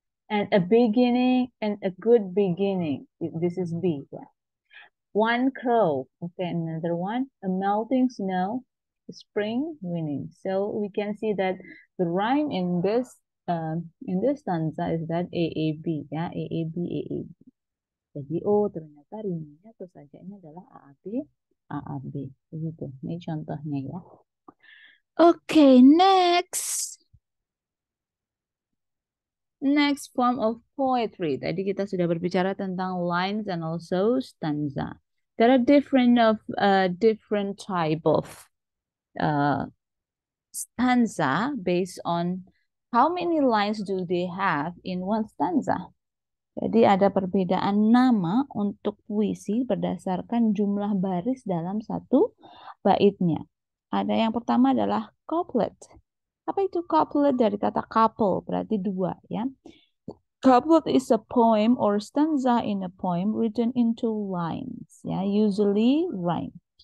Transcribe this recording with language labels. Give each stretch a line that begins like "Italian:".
English: And a beginning and a good beginning. This is B. Yeah. One crow. Okay, another one. A melting snow. Spring winning. So we can see that the rhyme in this stanza is that AAB ya, AAB AAB.
Indonesian: Jadi oh ternyata rimanya atau sajaknya adalah AAB AAB. Begitu. Ini contohnya ya.
English: Okay, next. Next form of poetry.
Indonesian: Tadi kita sudah berbicara tentang
English: lines and also stanza. There are different of different type of stanza based on how many lines do they have in one stanza.
Indonesian: Jadi ada perbedaan nama untuk puisi berdasarkan jumlah baris dalam satu baitnya. Ada yang pertama adalah couplet. Apa itu couplet? Dari kata couple, berarti dua ya.
English: Couplet is a poem or stanza in a poem written in two lines, ya, usually rhyme.